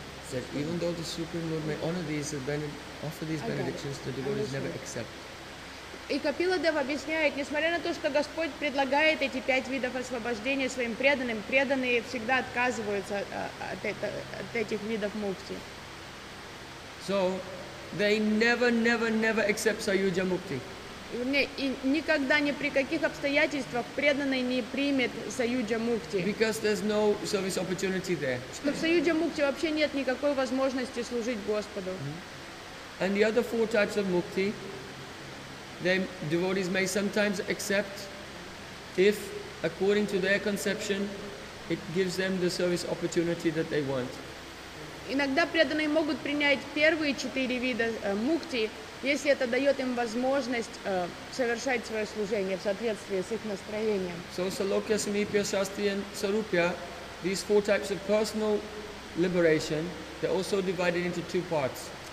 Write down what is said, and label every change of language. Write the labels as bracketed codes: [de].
[en] That even though the Supreme Lord may honor these, offer these benedictions, the devotees never accept. [ru] И Капила Дев объясняет, несмотря на то, что Господь предлагает эти пять видов освобождения своим преданным, преданные всегда отказываются от этих видов мукти. [en] So they never accept саюджа мукти. [ru] И никогда ни при каких обстоятельствах преданный не примет саюджа мукти. [en] Because there's no service opportunity there. [ru] Что в саюджа мукти вообще нет никакой возможности служить Господу. [en] And the other four types of мукти, the devotees may sometimes accept if, according to their conception, it gives them the service opportunity that they want. [ru] Иногда преданные могут принять первые четыре вида мукти, если это дает им возможность совершать свое служение в соответствии с их настроением. [en] So Salokya, Samipya, Shastri and Sarupya, these four types of personal liberation, they're also divided into two parts.